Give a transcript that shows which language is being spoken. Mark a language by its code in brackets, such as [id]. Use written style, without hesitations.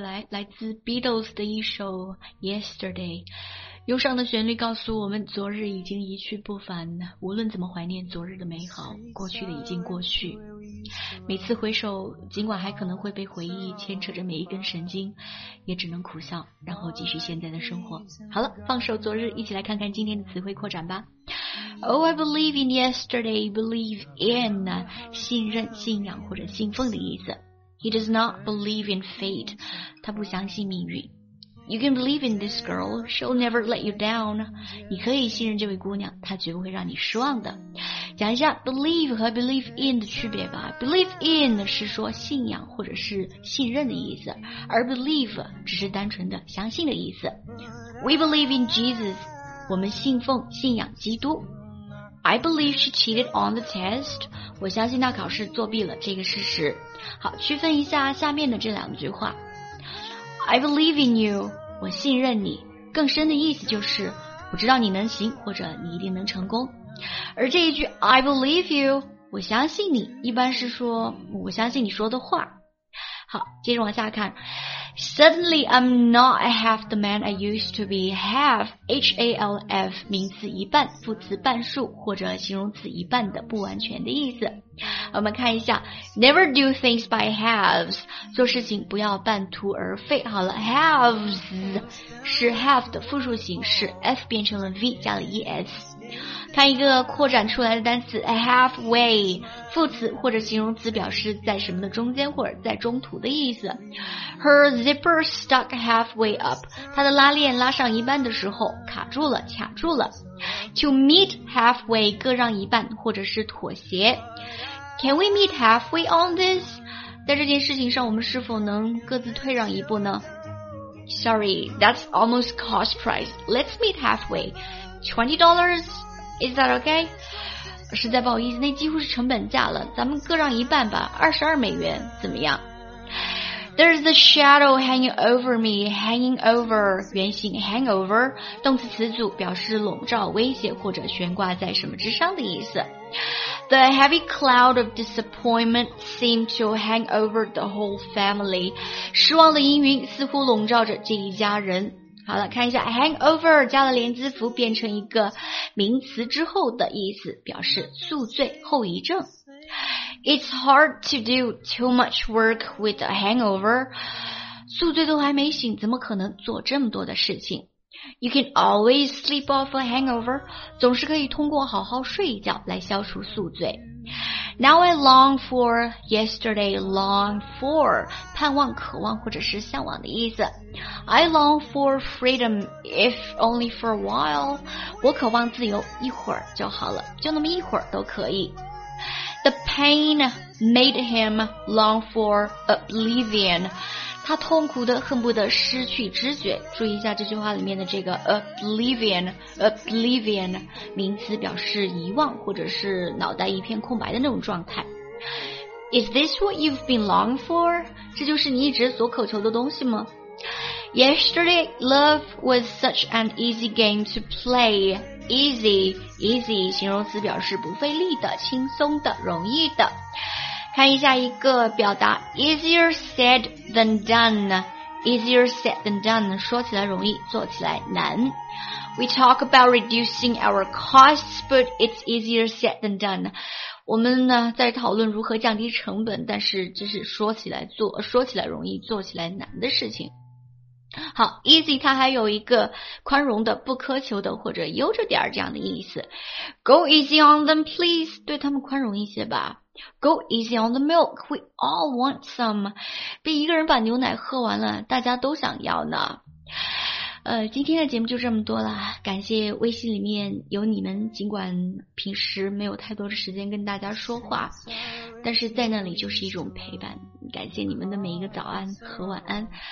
[zh] 来自 Beatles 的一首 Yesterday， 忧伤的旋律告诉我们，昨日已经一去不返，无论怎么怀念昨日的美好，过去的已经过去，每次回首，尽管还可能会被回忆牵扯着每一根神经，也只能苦笑然后继续现在的生活。好了，放手昨日，一起来看看今天的词汇扩展吧。 [en] Oh, I believe in yesterday. [zh] Believe in 信任、信仰或者信奉的意思。 [en] He does not believe in fate. [zh] 他不相信命运。 [en] You can believe in this girl. She'll never let you down. [zh] 你可以信任这位姑娘，她绝不会让你失望的。讲一下 believe 和 believe in 的区别吧。 Believe in 是说信仰或者是信任的意思，而 believe 只是单纯的相信的意思。 [en] We believe in Jesus. [zh] 我们信奉、信仰基督。 [en] I believe she cheated on the test. [zh] 我相信她考试作弊了这个事实。好，区分一下下面的这两句话。 [en] I believe in you， [zh] 我信任你，更深的意思就是我知道你能行，或者你一定能成功。而这一句 [en] I believe you， [zh] 我相信你，一般是说我相信你说的话。好，接着往下看。 [en] Suddenly I'm not half the man I used to be. [zh] Half H-A-L-F 名词一半，副词半数，或者形容词一半的不完全的意思。我们看一下 [en] Never do things by halves， [zh] 做事情不要半途而废。好了， halves 是 half 的复数形式， F 变成了 V 加了 ES。看一个扩展出来的单词 halfway， 副词或者形容词，表示在什么的中间或者在中途的意思。 [en] Her zipper stuck halfway up， [zh] 她的拉链拉上一半的时候卡住了，卡住了。 [en] To meet halfway， [zh] 各让一半或者是妥协。 [en] Can we meet halfway on this？ [zh] 在这件事情上我们是否能各自退让一步呢？ [en] Sorry, that's almost cost price. Let's meet halfway. $20 Is that okay? [zh] 实在不好意思，那几乎是成本价了，咱们各让一半吧，$22怎么样？ [en] There's a shadow hanging over me, [zh] hanging over, 原型 hangover, 动词词组表示笼罩威胁或者悬挂在什么之上的意思。 [en] The heavy cloud of disappointment seemed to hang over the whole family. [zh] 失望的阴云似乎笼罩着这一家人。好了，看一下 hangover 加了连字符变成一个名词之后的意思，表示宿醉后遗症。 [en] It's hard to do too much work with a hangover. [zh] 宿醉都还没醒，怎么可能做这么多的事情？ [en] You can always sleep off a hangover. [zh] 总是可以通过好好睡一觉来消除宿醉。 [en] Now I long for yesterday, [zh] long for, 盼望、渴望或者是向往的意思。 [en] I long for freedom, if only for a while. [zh] 我渴望自由，一会儿就好了，就那么一会儿都可以。 [en] The pain made him long for oblivion. [zh] 他痛苦的恨不得失去知觉。注意一下这句话里面的这个 oblivion, 名词表示遗忘或者是脑袋一片空白的那种状态。 [en] Is this what you've been long for? [zh] 这就是你一直所渴求的东西吗？ [en] Yesterday, love was such an easy game to play. [zh] Easy, 形容词表示不费力的、轻松的、容易的。看一下一个表达 , [en] easier said than done. Easier said than done, [zh] 说起来容易，做起来难。 [en] We talk about reducing our costs, but it's easier said than done. [zh] 我们呢在讨论如何降低成本，但是这是说起来容易，做起来难的事情。好 ,easy 它还有一个宽容的、不苛求的或者悠着点这样的意思。 [en] Go easy on them, please, [zh] 对他们宽容一些吧。 [en] Go easy on the milk, we all want some. [zh] 被一个人把牛奶喝完了，大家都想要呢。今天的节目就这么多了，感谢微信里面有你们，尽管平时没有太多的时间跟大家说话，但是在那里就是一种陪伴，感谢你们的每一个早安和晚安。